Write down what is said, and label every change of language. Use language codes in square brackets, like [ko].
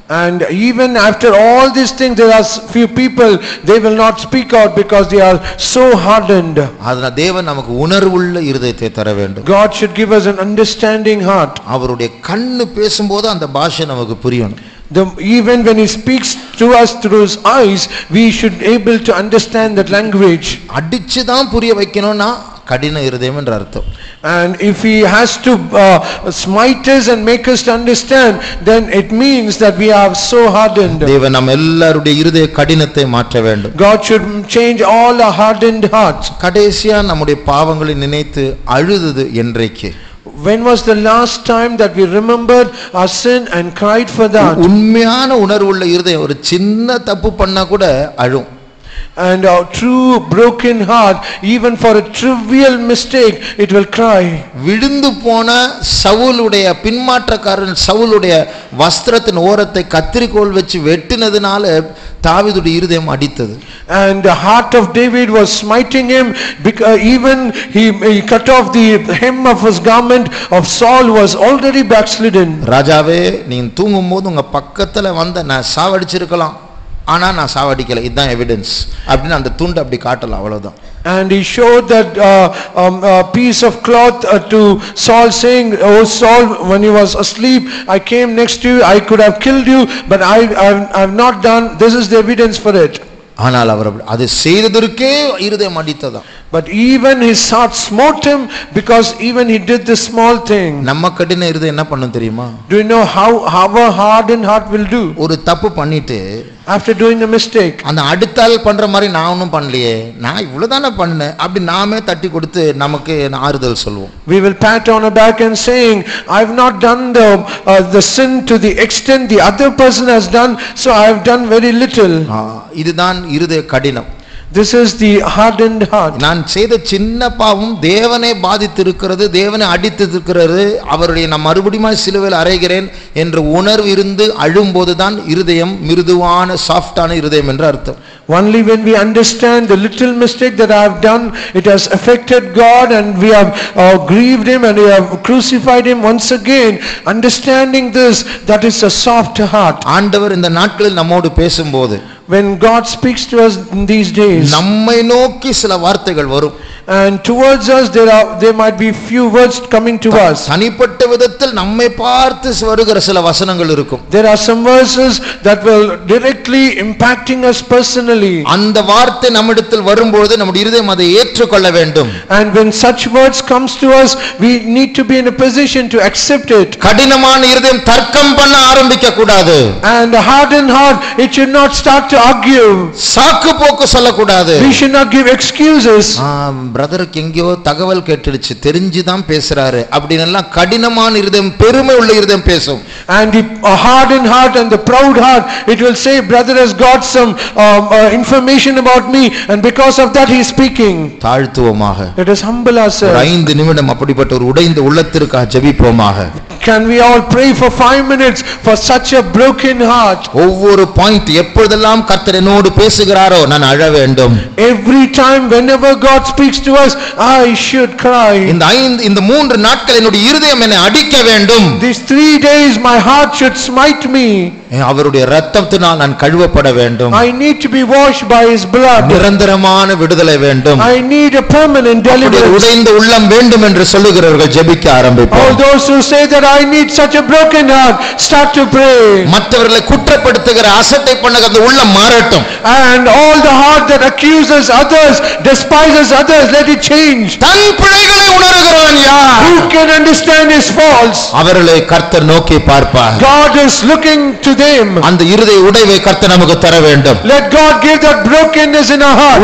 [en] And even after all these things, there are few people, they will not speak out because they are so hardened. [ta] அதனால தேவன் நமக்கு உணர்வுள்ள இருதயத்தை தர வேண்டும். [en] God should give us an understanding heart. [ta] அவருடைய கண்ணு பேசும்போது அந்த பாஷை நமக்கு புரியணும். [en] Even when he speaks to us through his eyes, we should able to understand that language. [ta] அடிச்சு தான் புரிய வைக்கணும்னா கடின இருதயம் என்ற அர்த்தம். [en] And if he has to smite us and make us to understand, then it means that we are so hardened. [ta] தேவன் நம் எல்லாருடைய இருதய கடினத்தை மாற்ற வேண்டும். [en] God should change all our hardened hearts. [ta] கடைசியா நம்முடைய பாவங்களை நினைத்து அழுதது என்றைக்கு? [en] When was the last time that we remembered our sin and cried for that? [ta] உண்மையான உணர்வுள்ள இருதயம் ஒரு சின்ன தப்பு பண்ணா கூட அழும். [en] And a true broken heart, even for a trivial mistake, it will cry. [ta] விழுந்து போன சவுளுடைய பின்மாற்றக்காரன் சவுளுடைய வஸ்திரத்தின் ஓரத்தை கத்திரிக்கோல் வச்சு வெட்டினதுனால தாவீதுடைய இருதயம் அடித்தது. [en] And the heart of David was smiting him because even he cut off the hem of his garment of Saul was already backslidden. [ta] ராஜாவே, நீ தூங்கும் போது உங்க பக்கத்துல வந்த நான் சாவடிச்சிருக்கலாம், ஆனா நான் சாவடிக்கல, இதுதான் எவிடன்ஸ் அப்படின்னு அந்த துண்டு அப்படி காட்டல, அவ்வளவுதான். [en] And he showed that piece of cloth to Saul, saying, oh Saul, when he was asleep I came next to you, I could have killed you, but I've not done, this is the evidence for it. [ta] ஆனால் அவர் அது செய்ததற்கே இருதயம் அடித்ததாம். [en] But even his heart smote him because even he did this small thing. [ta] நம்ம கடின இருதயம் என்ன பண்ணும் தெரியுமா? [en] Do you know how our hardened heart will do? [ta] ஒரு தப்பு பண்ணிட்டு [en] after doing a mistake, [ta] அந்த அடுத்தால் பண்ற மாதிரி நான் ஒண்ணும் பண்ணலையே, நான் இவ்வளவுதான பண்ணேன் அப்படி நாமே தட்டி கொடுத்து நமக்கு ஆறுதல் சொல்வோம். [en] We will pat on the back and saying, I've not done the sin to the extent the other person has done, so I have done very little. [ta] இதுதான் இருதய கடினம். [en] This is the hardened heart. [ta] நான் செய்த சின்ன பாவம் தேவனை பாதித்திருக்கிறது, தேவனை அடித்திருக்கிறது, அவருடைய நான் மறுபடியும் சிலுவையில் அறைகிறேன் என்ற உணர்வு இருந்து அழும்போதுதான் இருதயம் மிருதுவான சாஃப்டான இருதயம் என்று அர்த்தம். [en] Only when we understand the little mistake that I have done, it has affected God and we have grieved him and we have crucified him once again, understanding this, that is a soft heart. [ta] ஆண்டவர் இந்த நாட்களில் நம்மோடு பேசும்போது, [en] when God speaks to us in these days, [ta] நம்மை நோக்கி சில வார்த்தைகள் வரும். [en] and towards us there might be few words coming to us. [ta] தனிப்பட்ட விதத்தில் நம்மை பார்த்து வருகிற சில வசனங்கள் இருக்கும். [en] There are some verses that will directly impacting us personally. [ta] அந்த வார்த்தை நம்மிடத்தில் வரும்போது நம்முடைய இதயம் அதை ஏற்றுக்கொள்ள வேண்டும். [en] And when such words comes to us, we need to be in a position to accept it. [ta] கடினமான இதயம் தர்க்கம் பண்ண ஆரம்பிக்க கூடாது. [en] And a hardened heart, it should not start to argue. [ta] சாக்கு போக்கு சொல்ல கூடாது. [en] We should not give excuses. [ta] பிரதருக்கு எங்கேயோ தகவல் கேட்டுடுச்சு, தெரிஞ்சுதான் பேசுறாரு அப்படின்னு எல்லாம் கடினமான இருதயம் பெருமை உள்ள இருதயம் பேசும். [en] And the hardened heart and the proud heart, it will say, brother has got some information about me, and because of that he is speaking. [ta] தாழ்த்துவமாக, [en] let us humble ourselves. [ta] 5 நிமிடம் அப்படிப்பட்ட ஒரு உடைந்த உள்ளத்திற்காக ஜெபிப்போமாக. [en] Can we all pray for 5 minutes for such a broken heart? [ta] ஒவ்வொரு point எப்பொழுதெல்லாம் கர்த்தர் என்னோடு பேசுகிறாரோ நான் அழ வேண்டும். [en] Every time whenever God speaks to us, I should cry. [ta] இந்த 3 நாட்கள் என்னுடைய இதயம் என்னை அடிக்க வேண்டும். [en] These 3 days my heart should smite me. [ta] அவருடைய இரத்தத்தினால் நான் கழுவப்பட வேண்டும். [en] I need to be washed by his blood. [ta] நிரந்தரமான விடுதலை வேண்டும். [en] I need a permanent deliverance. [ta] உடைந்த உள்ளம் வேண்டும் என்று சொல்லுகிறவர்கள் ஜெபிக்க ஆரம்பிப்போம். [en] All those who say that I need such a broken heart, start to pray. [ta] மற்றவர்களை குற்றப்படுத்துகிற அசட்டை பண்ண அந்த உள்ளம் மாறட்டும். [en] And all the heart that accuses others, despises others, let it change. [ta] தன் பிழைகளை உணருகிறான் யார்? [en] Who can understand his faults? [ta] அவர்களை கர்த்தர் நோக்கி பார்ப்பார். [en] God is looking to them. [ta] அந்த இருதய உடைவை கர்த்தர் நமக்கு தர வேண்டும். [en] Let God give that brokenness in our heart.